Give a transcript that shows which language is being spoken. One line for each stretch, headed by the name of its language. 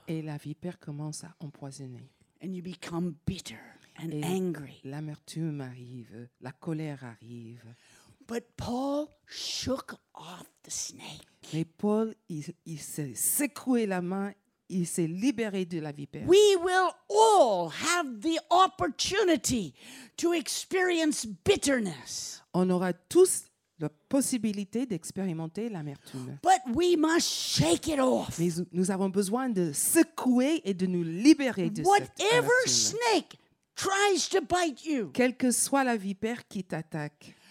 French: Et la vipère commence à empoisonner.
English: And you become bitter and
French: et
English: angry.
French: L'amertume arrive, la colère arrive.
English: But Paul shook off the snake.
French: Mais Paul, il s'est secoué la main, il s'est libéré de la vipère.
English: We will all have the opportunity to experience bitterness.
French: On aura tous la possibilité d'expérimenter l'amertume.
English: But we must shake it off.
French: Mais nous avons besoin de secouer et de nous libérer de
English: whatever
French: cette amertume.
English: Snake tries to bite you,
French: quelle que soit la vipère qui t'attaque,